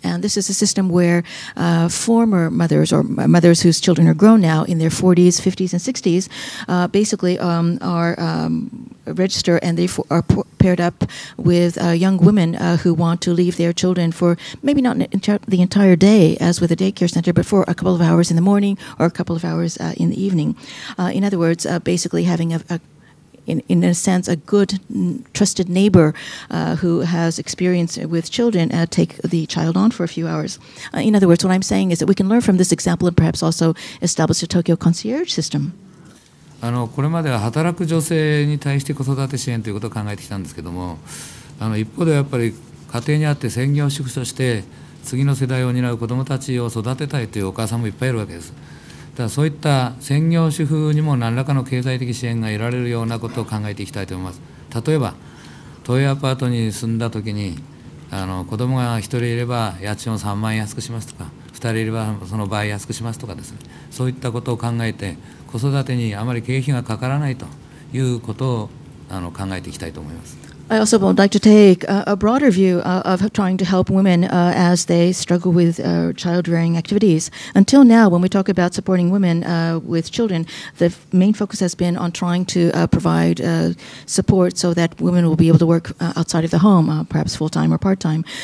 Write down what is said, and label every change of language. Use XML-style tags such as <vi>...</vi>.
<en>And this is a system where former mothers or mothers whose children are grown now in their 40s, 50s, and 60s basically are registered and they are paired up with young women who want to leave their children for maybe not the entire day as with a daycare center, but for a couple of hours in the morning or a couple of hours in the evening. In other words, basically having a in a sense, a good trusted neighbor who has experience with children take the child on for a few hours. In other words, what I'm saying is that we can learn from this example and perhaps also establish a Tokyo concierge system.</en> <ja>あのこれまでは働く女性に対して子育て支援ということを考えてきたんですけども、あの一方ではやっぱり家庭にあって専業主婦として次の世代を担う子どもたちを育てたいというお母さんもいっぱいいるわけです。だからそういった専業主婦にも何らかの経済的支援が得られるようなことを考えていきたいと思います。例えば都営アパートに住んだときに、あの子どもが1人いれば家賃を3万円安くしますとか、2人いればその倍安くしますとかですね、そういったことを考えて子育てにあまり経費がかからないということをあの考えていきたいと思います。</ja> <en>I also would like to take a broader view of trying to help women as they struggle with child-rearing activities. Until now, when we talk about supporting women with children, the main focus has been on trying to provide support so that women will be able to work outside of the home, perhaps full-time or part-time.</en>